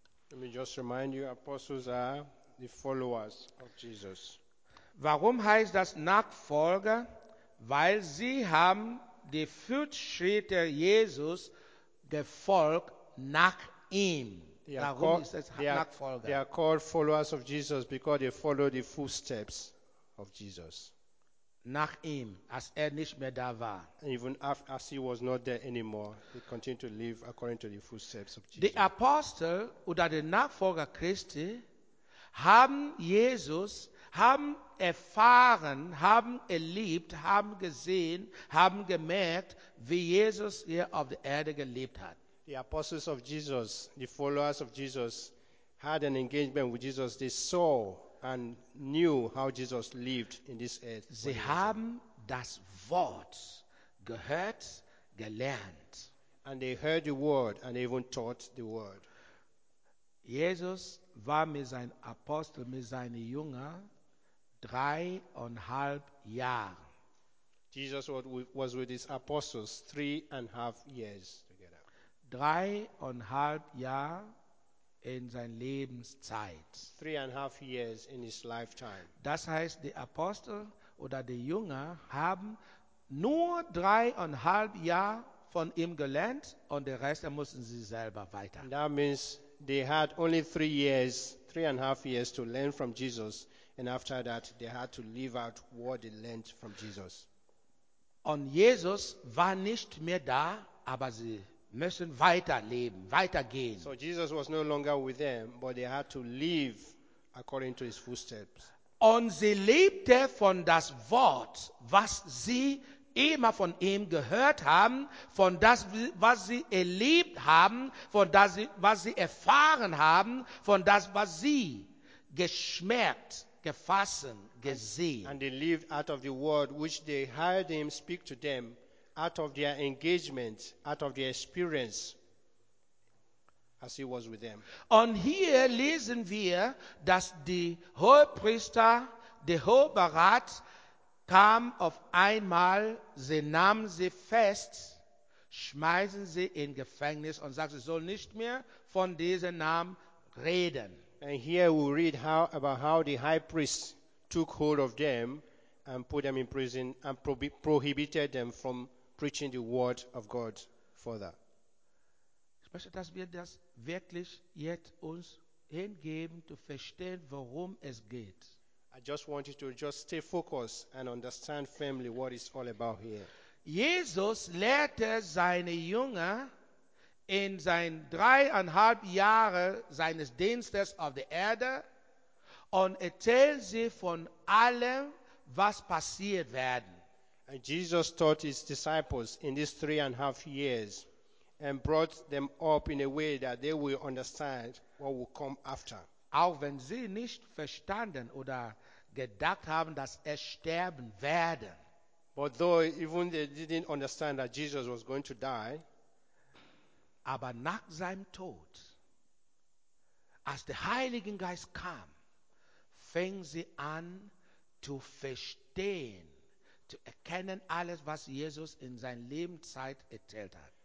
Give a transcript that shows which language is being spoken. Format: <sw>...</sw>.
<en>Let me just remind you, apostles are the followers of Jesus.</en> <de>Warum heißt das Nachfolger? Weil sie haben die Fortschritte Jesus gefolgt nach ihm.</de> <en>They are called followers of Jesus because they follow the footsteps of Jesus.</en> <de>nach ihm, als er nicht mehr da war.</de> <en>And even as he was not there anymore, he continued to live according to the footsteps of Jesus.</en> <de>Die Apostel oder die Nachfolger Christi haben Jesus, haben erfahren, haben erlebt, haben gesehen, haben gemerkt, wie Jesus hier auf der Erde gelebt hat.</de> <en>The apostles of Jesus, the followers of Jesus, had an engagement with Jesus. They saw and knew how Jesus lived in this earth.</en> <de>Sie haben das Wort gehört, gelernt.</de> <en>And they heard the word and even taught the word.</en> <de>Jesus war mit seinen Aposteln, mit seinen Jüngern 3,5 Jahre.</de> <en>Jesus was with his apostles 3.5 years.</en> <de>3,5 Jahre in sein Lebenszeit.</de> <en>3.5 years in his lifetime.</en> <de>Das heißt, die Apostel oder die Jünger haben nur 3.5 Jahre von ihm gelernt und den Rest mussten sie selber weiter.</de> <en>And that means they had only 3 years, 3.5 years to learn from Jesus, and after that they had to live out what they learned from Jesus.</en> <de>Und Jesus war nicht mehr da, aber sie müssen weiterleben, weitergehen.</de> <en>So Jesus was no longer with them, but they had to live according to his footsteps.</en> <de>Und sie lebte von das Wort, was sie immer von ihm gehört haben, von das, was sie erlebt haben, von das, was sie erfahren haben, von das, was sie geschmerzt, gefasst, gesehen.</de> <en>And they lived out of the word which they heard him speak to them, out of their engagement, out of their experience, as he was with them.</en> <de>Und hier lesen wir, dass die Hohepriester, der Hoherat, kam auf einmal, sie nahmen sie fest, schmeißen sie in Gefängnis und sagten, sie sollen nicht mehr von diesem Namen reden.</de> <en>And here we read about how the high priest took hold of them and put them in prison and prohibited them from preaching the word of God further.</en> <de>Ich möchte, dass wir das wirklich jetzt uns hingeben, zu verstehen, worum es geht.</de> <en>I just want you to just stay focused and understand firmly what it's all about here.</en> <de>Jesus lehrte seine Jünger in seinen 3.5 Jahren seines Dienstes auf der Erde und erzählte sie von allem, was passiert werden.</de> <en>And Jesus taught his disciples in these 3.5 years and brought them up in a way that they will understand what will come after.</en> <de>Auch wenn sie nicht verstanden oder gedacht haben, dass er sterben werde.</de> <en>But though even they didn't understand that Jesus was going to die,</en> <de>aber nach seinem Tod, als der Heilige Geist kam, fingen sie an zu verstehen, zu erkennen alles, was Jesus in seiner Lebenszeit erzählt hat.</de>